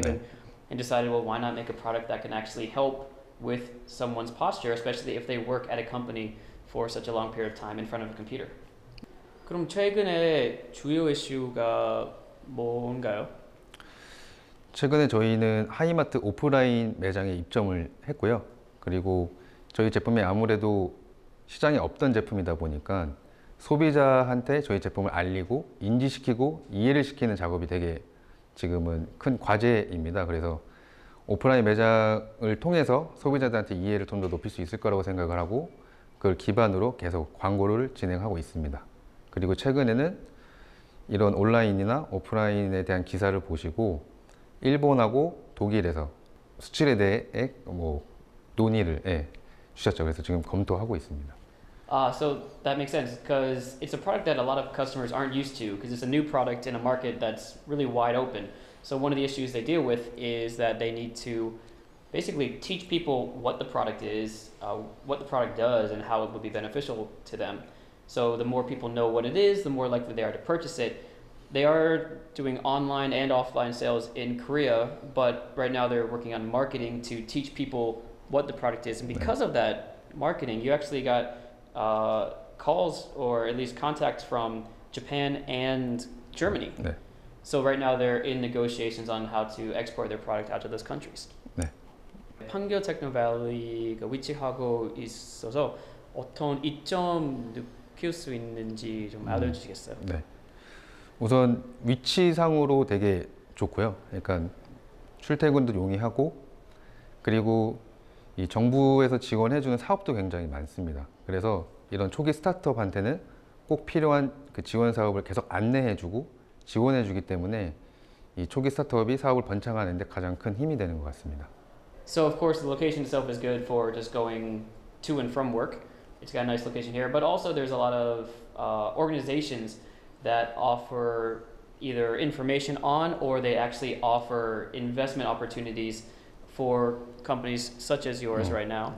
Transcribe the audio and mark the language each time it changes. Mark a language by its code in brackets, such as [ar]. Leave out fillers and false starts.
[ko] 네. [en] even and decided, well, why not make a product that can actually help with someone's posture, especially if they work at a company for such a long period of time in front of a computer. [ko] 그럼 최근에 주요 이슈가 뭔가요? 최근에 저희는 하이마트 오프라인 매장에 입점을 했고요. 그리고 저희 제품이 아무래도 시장에 없던 제품이다 보니까 소비자한테 저희 제품을 알리고 인지시키고 이해를 시키는 작업이 되게 지금은 큰 과제입니다. 그래서 오프라인 매장을 통해서 소비자들한테 이해를 좀 더 높일 수 있을 거라고 생각을 하고 그걸 기반으로 계속 광고를 진행하고 있습니다. 그리고 최근에는 이런 온라인이나 오프라인에 대한 기사를 보시고 일본하고 독일에서 수출에 대해 뭐 논의를 예, 주셨죠. 그래서 지금 검토하고 있습니다. [en] So that makes sense because it's a product that a lot of customers aren't used to because it's a new product in a market that's really wide open. So one of the issues they deal with is that they need to basically teach people what the product is, what the product does, and how it would be beneficial to them. So the more people know what it is, the more likely they are to purchase it. They are doing online and offline sales in Korea, but right now they're working on marketing to teach people what the product is. And because of that marketing, you actually got calls or at least contacts from Japan and Germany. Yeah. So right now they're in negotiations on how to export their product out to those countries. [ko] 네. 판교 테크노 밸리가 위치하고 있어서 어떤 이점 느낄 수 있는지 좀 알려주시겠어요? 네. 우선 위치상으로 되게 좋고요. 약간 출퇴근도 용이하고 그리고 이 정부에서 지원해주는 사업도 굉장히 많습니다. 그래서 이런 초기 스타트업한테는 꼭 필요한 그 지원 사업을 계속 안내해주고. 지원해 주기 때문에 이 초기 스타트업이 사업을 번창하는 데 가장 큰 힘이 되는 것 같습니다. [en] So of course the location itself is good for just going to and from work. It's got a nice location here, but also there's a lot of organizations that offer either information on or they actually offer investment opportunities for companies such as yours right now.